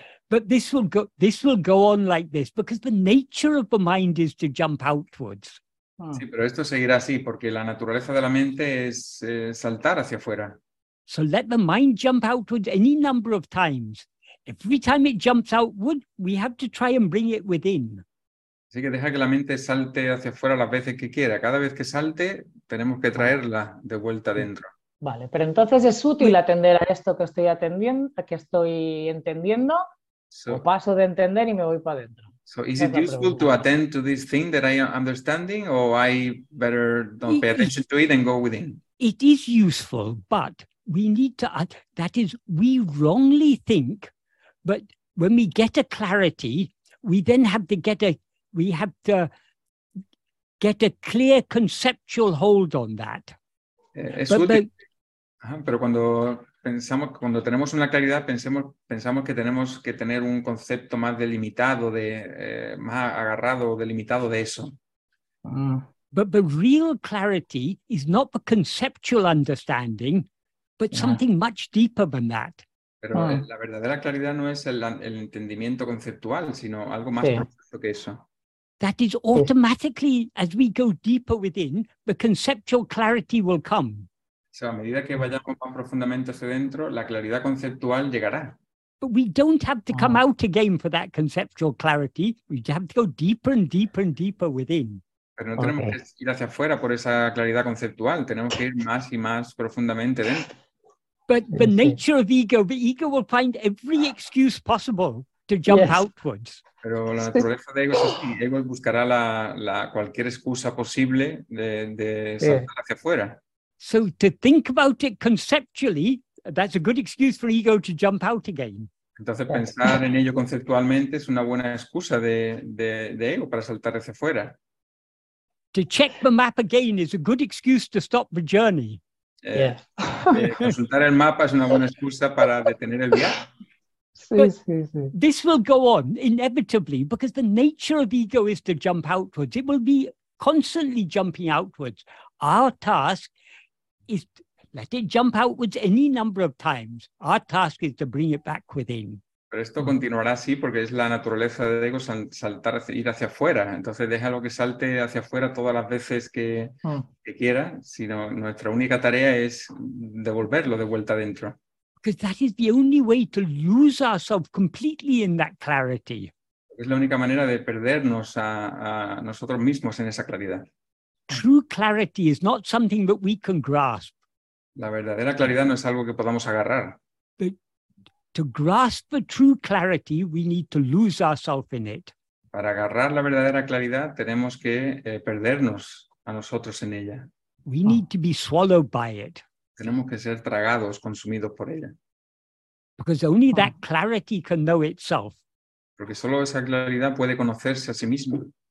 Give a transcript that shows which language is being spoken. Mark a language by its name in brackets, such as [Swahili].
[English] But this will go on like this because the nature of the mind is to jump outwards. [Spanish] Sí, pero esto seguirá así porque la naturaleza de la mente es saltar hacia afuera. [English] So let the mind jump outwards any number of times. Every time it jumps outward, we have to try and bring it within. [Spanish] Así que deja que la mente salte hacia afuera las veces que quiera. Cada vez que salte, tenemos que traerla de vuelta adentro. Vale, pero entonces es útil atender a esto que estoy atendiendo, que estoy entendiendo, so, o paso de entender y me voy para adentro. [English] So is it useful to attend to this thing that I am understanding, or I better don't pay attention to it and go within? It is useful, but we need to add, that is, we wrongly think, but when we get a clarity, we then have to get a clear conceptual hold on that. [Spanish] Pero cuando tenemos una claridad, pensamos que tenemos que tener un concepto más delimitado, más agarrado o delimitado de eso. [English] But the real clarity is not the conceptual understanding, but something much deeper than that. [Spanish] Pero la verdadera claridad no es el entendimiento conceptual, sino algo más profundo que eso. [English] That is automatically, as we go deeper within, the conceptual clarity will come. [Spanish] O sea, a medida que vayamos más profundamente hacia dentro, la claridad conceptual llegará. [English] But we don't have to come out again for that conceptual clarity. We have to go deeper and deeper and deeper within. [Spanish] Pero no tenemos que ir hacia afuera por esa claridad conceptual. Tenemos que ir más y más profundamente dentro. [English] But the nature of ego, the ego will find every excuse possible to jump outwards. [Spanish] Pero la naturaleza de ego es así. Ego buscará cualquier excusa posible de saltar hacia afuera. [English] So to think about it conceptually, that's a good excuse for ego to jump out again. [Spanish] Entonces pensar en ello conceptualmente es una buena excusa de ego para saltar hacia fuera. [English] To check the map again is a good excuse to stop the journey. [Spanish] Consultar el mapa es una buena excusa para detener el viaje. [English] But this will go on inevitably because the nature of ego is to jump outwards. It will be constantly jumping outwards. Our task is to let it jump outwards any number of times. Our task is to bring it back within. [Spanish] Pero esto continuará así porque es la naturaleza del ego saltar, ir hacia afuera. Entonces déjalo que salte hacia afuera todas las veces que quiera, sino nuestra única tarea es devolverlo de vuelta adentro. [English] Because that is the only way to lose ourselves completely in that clarity. [Spanish] Es la única manera de perdernos a nosotros mismos en esa claridad. [English] True clarity is not something that we can grasp. [Spanish] La verdadera claridad no es algo que podamos agarrar. [English] But to grasp the true clarity, we need to lose ourselves in it. [Spanish] Para agarrar la verdadera claridad, tenemos que perdernos a nosotros en ella. [English] We need to be swallowed by it. [Spanish] Tenemos que ser tragados, consumidos por ella. [English] Because only that clarity can know itself. [Spanish] Porque solo esa claridad puede conocerse a sí misma.